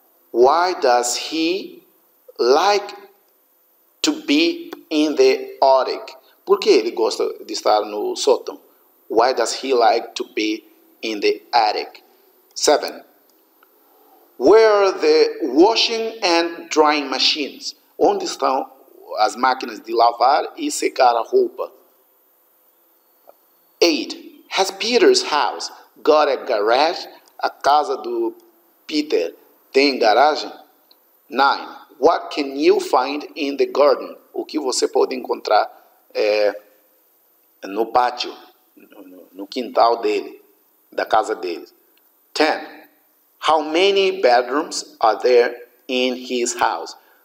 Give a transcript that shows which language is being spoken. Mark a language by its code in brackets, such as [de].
[en] Why does he like to be in the attic? [pt] Por que ele gosta de estar no sótão? [en] Why does he like to be in the attic? 7. Where are the washing and drying machines? [pt] Onde estão as máquinas de lavar e secar a roupa? [en] 8. Has Peter's house got a garage? [pt] A casa do Peter tem garagem? 9. [en] What can you find in the garden? [pt] O que você pode encontrar no pátio, no quintal dele, da casa dele? 10. [en] How many bedrooms are there in his house?